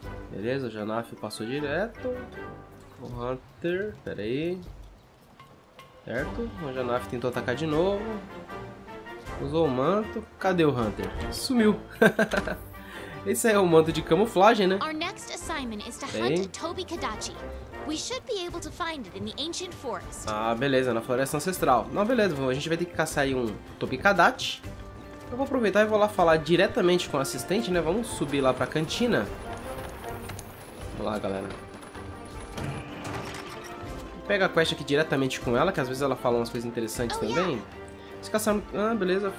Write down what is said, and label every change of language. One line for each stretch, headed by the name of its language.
Portuguese: Beleza, o Janaf passou direto. O Hunter, pera aí. Certo, o Janaf tentou atacar de novo. Usou o manto. Cadê o Hunter? Sumiu. Esse aí é o manto de camuflagem, né?
English: Our next assignment is to hunt Tobikadashi. We should be able to find it in the ancient forest.
Portuguese: Ah, beleza, na floresta ancestral. Não, beleza, a gente vai ter que caçar aí um Tobikadashi. Eu vou aproveitar e vou lá falar diretamente com o assistente, né? Vamos subir lá pra cantina. Vamos lá, galera. Pega a quest aqui diretamente com ela, que às vezes ela fala umas coisas interessantes também. Os caçadores... Ah, beleza.